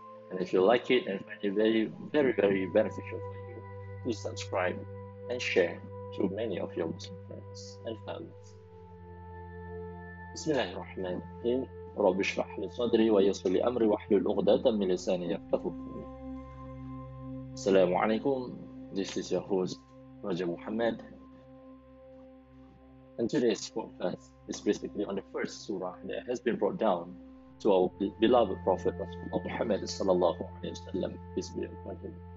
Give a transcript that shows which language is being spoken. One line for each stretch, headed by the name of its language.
English: And if you like it and find it very, very, very beneficial for you, please subscribe and share to many of your Muslim friends and families.
Arabic: بسم الله الرحمن الرحيم. رب اشرح لي صدري ويسر لي امري واحلل عقدة من لساني يفقهوا قولي. السلام عليكم.
English: This is your host, Raja Muhammad, and today's podcast is basically on the first surah that has been brought down to our beloved Prophet Muhammad sallallahu alaihi wasallam, peace be upon him.